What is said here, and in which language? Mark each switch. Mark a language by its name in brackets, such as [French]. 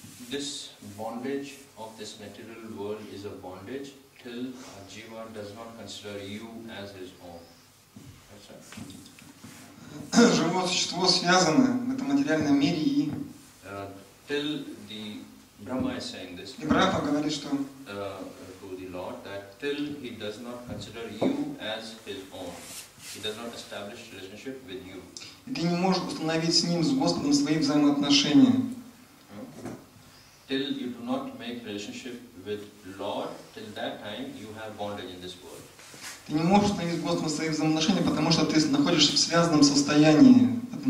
[English] This bondage of this material world is a bondage till a jiva does not consider you as his own. That's right. [Russian] Живое существо связано в этом материальном мире и [English] till the Brahma is saying this. [Russian] И Брахма говорит, что [English] to the Lord that till he does not consider you as his own, he does not establish relationship with you. [Russian] И ты не можешь установить с ним, с Господом, свои взаимоотношения. [English] Till you do not make relationship with Lord, till that time you have bonded in this world. [Russian] Ты не можешь установить с Господом свои взаимоотношения, потому что ты находишься в связанном состоянии.